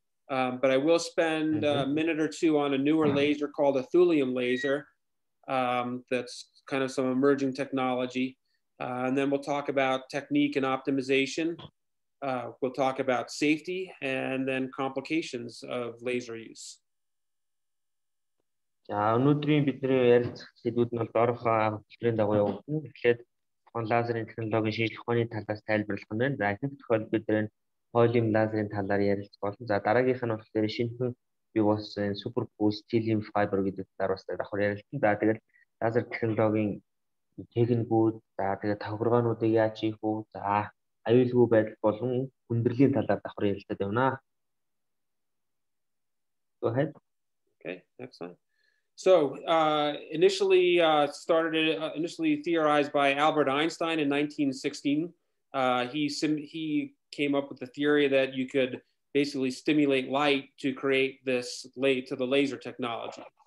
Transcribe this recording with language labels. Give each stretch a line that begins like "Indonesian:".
English: But I will spend a minute or two on a newer laser called a thulium laser. That's kind of some emerging technology. And then we'll talk about technique and optimization. We'll talk about safety and then complications of laser use.
Mongolian: За өнөөдрийн бидний ярилцах зүйлүүд нь бол дорхо хэлбэрийн дагуу явагдана. Эхлээд лазерын технологийн шинжлэх ухааны талаас тайлбарлах нь байна. За ихэнх тохиолдолд бид холим лазерын талаар ярилцах болно. За дараагийнх нь болохоор шинхэн бий болсон супер буст хелиум файбер гэдэг талаар бас давхар ярилцана. За тэгэл лазер технологийн техникүүд, за тэгээ тохиргоонуудыг яаж хийх вэ, за аюулгүй байдал болон хүндрэлийн талаар давхар ярилцаад явна.
English: Go ahead. Okay, next one. So, initially theorized by Albert Einstein in 1916. He came up with the theory that you could basically stimulate light to create this light to the laser technology.